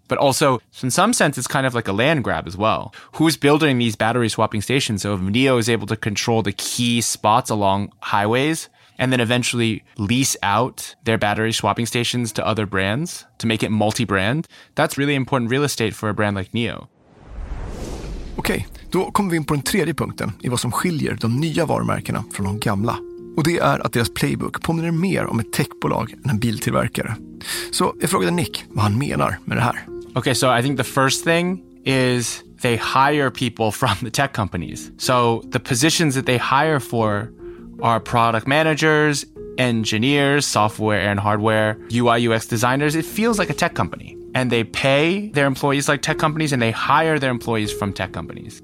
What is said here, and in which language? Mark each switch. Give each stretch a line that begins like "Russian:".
English: But also, in some sense, it's kind of like a land grab as well. Who's building these battery swapping stations? So if NIO is able to control the key spots along highways and then eventually lease out their battery swapping stations to other brands to make it multi-brand, that's really important real estate for a brand like NIO.
Swedish: Okay, då kommer vi in på den tredje punkten i vad som skiljer de nya varumärkena från de gamla. Och det är att deras playbook påminner mer om ett techbolag än en biltillverkare. Så jag frågade Nick vad han menar med det här.
English: Okay, so I think the first thing is they hire people from the tech companies. So the positions that they hire for are product managers, engineers, software and hardware, UI UX designers. It feels like a tech company. And they pay their employees like tech companies and they hire their employees from tech companies.